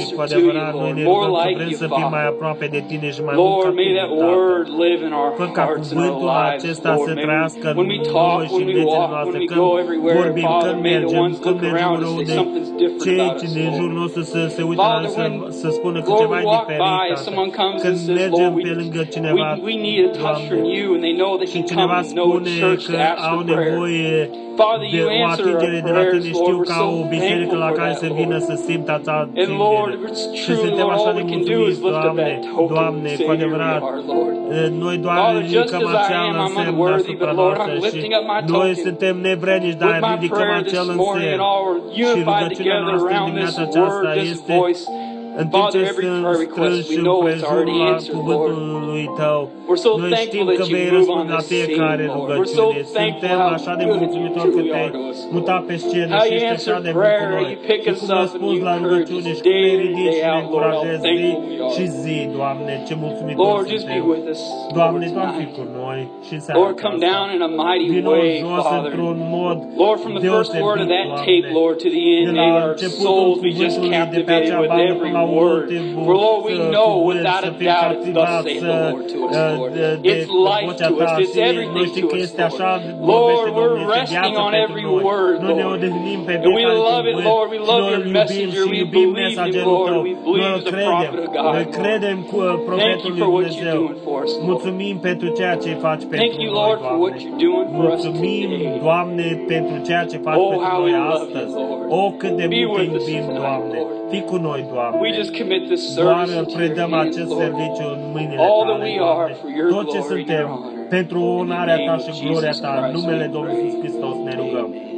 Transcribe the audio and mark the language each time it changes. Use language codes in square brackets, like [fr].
[ro] Și cu adevărat, noi ne rugăm că vrem să fim mai aproape de Tine și mai mult ca cuvântul Tău. Acesta se trăiască în noi și în viețile noastre, când vorbim, când mergem, când mergem în răudă, cei ce din jurul nostru să se uită, să spună, pe ceva diferit. Când mergem pe lângă cineva, [en] we need a touch from you, and they know that he comes to know church after prayer. Father, you answer our prayers, Lord. We're so thankful for that, Lord. And Lord, it's true, Lord, all we can do is lift up that token of Savior in our heart, Lord. Father, just as I am, I'm unworthy, but Lord, I'm lifting up my token. [ro] Noi suntem nevrednici, dar ridicăm acel însemn. Și rugăciunea noastră în dimineața aceasta este, în timp ce sunt strâns în prejur la cuvântul lui Tău, noi știm că vei răspunde la fiecare rugăciune. Suntem așa de mulțumitori că te-ai mutat pe scenă și ești așa de bucuroși. Și cum răspunzi la rugăciune și cum ne ridici și ne încurajezi zi și zi, Doamne, ce mulțumitori suntem. Doamne, Doamne, fii cu noi și în seara aceasta. Vino jos într-un mod deosebit, Doamne. De la începutul cuvântului de pe acea bandă, [en] every word. For Lord, we know without a doubt it's thus saith the Lord to us, Lord. It's life to us. It's everything to us, Lord. Lord, we're resting on every word, Lord. And we love it, Lord. We love your messenger. We believe you, Lord. We believe the prophet of God, Lord. Thank you for what you're doing for us, Lord. Thank you, Lord, for what you're doing for us today. Oh, how we love you, Lord. Be with us tonight, Lord. [ro] Fii cu noi, Doamne. [en] We just commit this service to your hands, Lord. All that we are for your glory and your honor. [ro] Tot ce suntem pentru onoarea ta și gloria ta, în numele Domnului Iisus Hristos ne rugăm.